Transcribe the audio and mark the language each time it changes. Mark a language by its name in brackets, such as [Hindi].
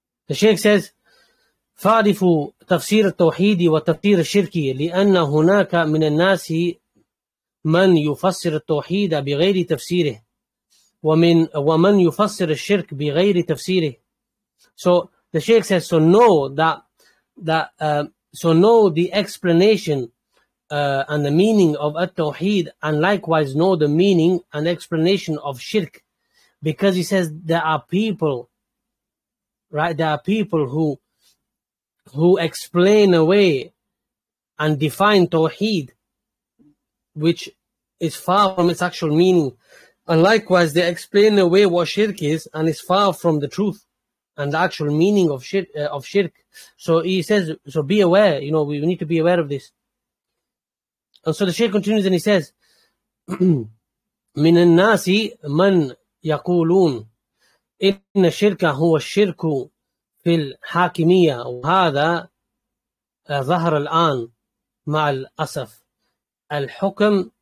[English] The Shaykh says, [Arabic] فعرفوا تفسير التوحيد وتفسير الشرك لأن هناك من الناس من يفسر التوحيد بغير تفسيره ومن يفسر الشرك بغير تفسيره. [English] So the Shaykh says, so know that the explanation and the meaning of التوحيد, and likewise know the meaning and explanation of shirk, because he says there are people, right, there are people who explain away and define tawheed, which is far from its actual meaning. And likewise, they explain away what shirk is, and it's far from the truth and the actual meaning of shirk. So he says, so be aware, you know, we need to be aware of this. And so the Shaykh continues and he says, [Arabic] مِنَ النَّاسِ مَنْ يَقُولُونَ إِنَّ الشِّرْكَ هُوَ الشِّرْكُ في الحاكمية وهذا ظهر الآن مع الأسف الحكم